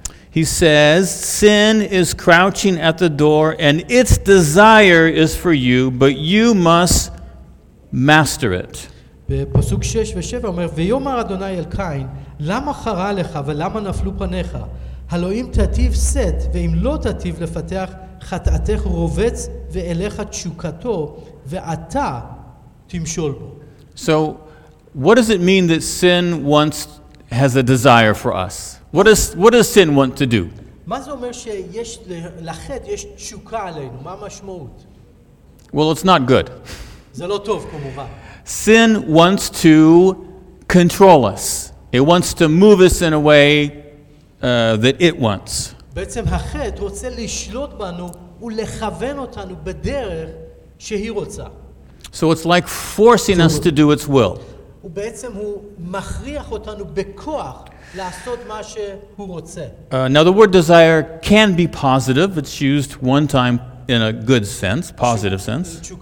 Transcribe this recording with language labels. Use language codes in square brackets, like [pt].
[en] He says, sin is crouching at the door and its desire is for you, but you must master it. [he] בפסוק 6 ו-7 אומר, ויאמר אדוני אל קין, למה חרה לך ולמה נפלו פניך? הלואים תטיב סט, ואם לא תטיב לפתח, חטאתך רובץ ואליך תשוקתו, ואתה תמשול בו. [en] So, what does it mean that sin wants, has a desire for us? What does sin want to do? [he] מה זה אומר שיש לחטא, יש תשוקה עלינו? מה המשמעות? [en] Well, it's not good. [he] זה לא טוב, כמובן. [en] Sin wants to control us. It wants to move us in a way that it wants. [he] בעצם החטא רוצה לשלוט בנו ולכוון אותנו בדרך שהיא רוצה. [en] So it's like forcing us to do its will. [he] ובעצם הוא מכריח אותנו בכוח לעשות מה שהוא רוצה. [en] Now the word desire can be positive. It's used one time in a good sense, positive sense.